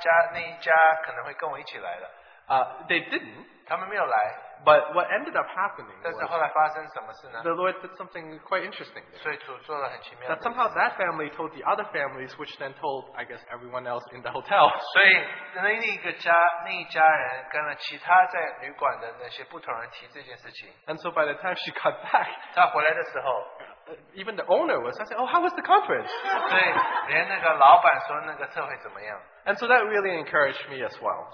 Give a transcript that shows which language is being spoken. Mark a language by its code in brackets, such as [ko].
[zh] 所以我想几乎那一家可能会跟我一起来了。 [en] They didn't. [zh] 他们没有来, [en] but what ended up happening? [zh] 但是后来发生什么事呢? [en] The Lord did something quite interesting. [zh] 所以主做了很奇妙的事情。 [en] That somehow that family told the other families, which then told, I guess, everyone else in the hotel. [zh] 所以那一家人跟了其他在旅馆的那些不同人提这件事情。 [en] And so by the time she got back, [zh] 她回来的时候, [en] even the owner was, I said, oh, how was the conference? [zh] 对，连那个老板说那个特会怎么样。 [en] And so that really encouraged me as well.